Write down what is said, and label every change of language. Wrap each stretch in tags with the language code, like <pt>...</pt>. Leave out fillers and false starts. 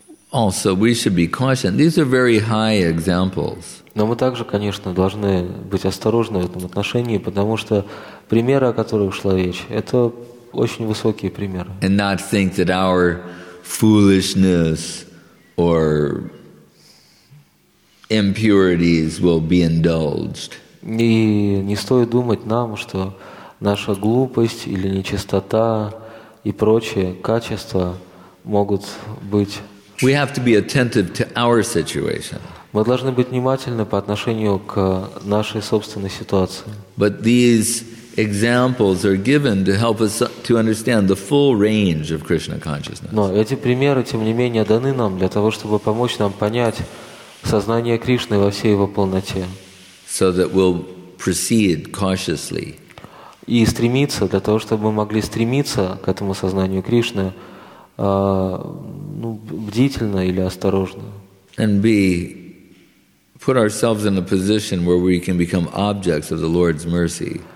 <en>Also, we should be cautioned. These are very high examples.</en> <ru>Но мы также, конечно, должны быть осторожны в этом отношении, потому что примеры, о которых шла речь, это очень высокие примеры.</ru> <en>And not think that our foolishness or impurities will be indulged.</en> <ru>И не стоит думать нам, что наша глупость или нечистота и прочие качества могут быть.</ru> <en>We have to be attentive to our situation.</en> <ru>Мы должны быть внимательны по отношению к нашей собственной ситуации.</ru> <en>But these examples are given to help us to understand the full range of Krishna consciousness.</en> <ru>Но эти примеры, тем не менее, даны нам для того, чтобы помочь нам понять сознание Кришны во всей его полноте.</ru> <en>So that we'll proceed cautiously.</en> <ru>И стремиться, для того, чтобы мы могли стремиться к этому сознанию Кришны, ну, бдительно или осторожно.</ru> <en>And be put ourselves in a position where we can become objects of the Lord's mercy.</en>